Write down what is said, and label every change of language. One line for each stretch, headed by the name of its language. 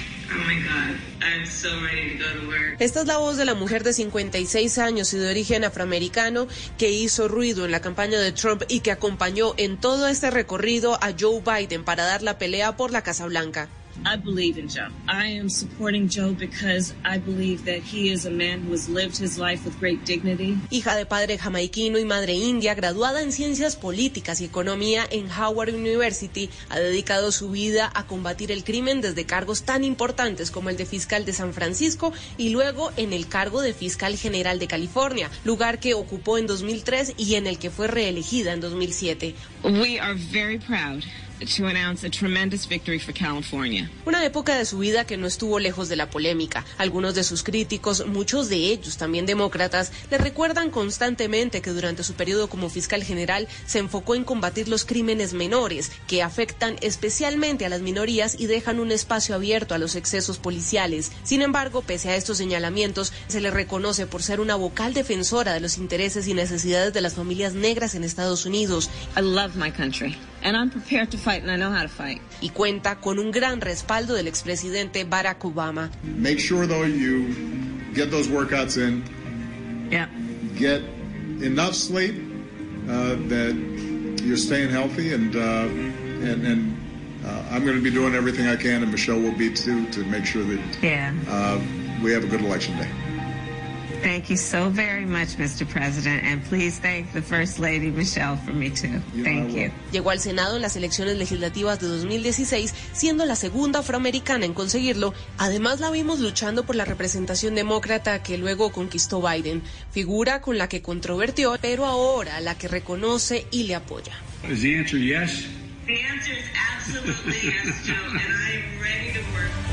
English: Oh my God. I'm so ready to go to work.
Spanish: Esta es la voz de la mujer de 56 años y de origen afroamericano que hizo ruido en la campaña de Trump y que acompañó en todo este recorrido a Joe Biden para dar la pelea por la Casa Blanca.
English: I believe in Joe. I am supporting Joe because I believe that he is a man who has lived his life with great dignity.
Spanish: Hija de padre jamaiquino y madre india, graduada en ciencias políticas y economía en Howard University, ha dedicado su vida a combatir el crimen desde cargos tan importantes como el de fiscal de San Francisco y luego en el cargo de fiscal general de California, lugar que ocupó en 2003 y en el que fue reelegida en 2007.
English: We are very proud to announce a tremendous victory for California.
Spanish: Una época de su vida que no estuvo lejos de la polémica. Algunos de sus críticos, muchos de ellos también demócratas, le recuerdan constantemente que durante su periodo como fiscal general se enfocó en combatir los crímenes menores, que afectan especialmente a las minorías y dejan un espacio abierto a los excesos policiales. Sin embargo, pese a estos señalamientos, se le reconoce por ser una vocal defensora de los intereses y necesidades de las familias negras en Estados Unidos.
English: I love my country. And I'm prepared to fight, and I know how to fight.
Spanish: Y cuenta con un gran respaldo del expresidente Barack Obama.
English: Make sure though you get those workouts in. Yeah. Get enough sleep that you're staying healthy, and I'm going to be doing everything I can, and Michelle will be too, to make sure that we have a good election day. Thank you so very much, Mr. President, and please thank the First Lady Michelle for me too. Thank you.
Spanish: Llegó al Senado en las elecciones legislativas de 2016, siendo la segunda afroamericana en conseguirlo. Además, la vimos luchando por la representación demócrata que luego conquistó Biden, figura con la que controvertió, pero ahora la que reconoce y le apoya.
English: Is the answer yes? The answer is absolutely yes, Joe, and I'm ready to work.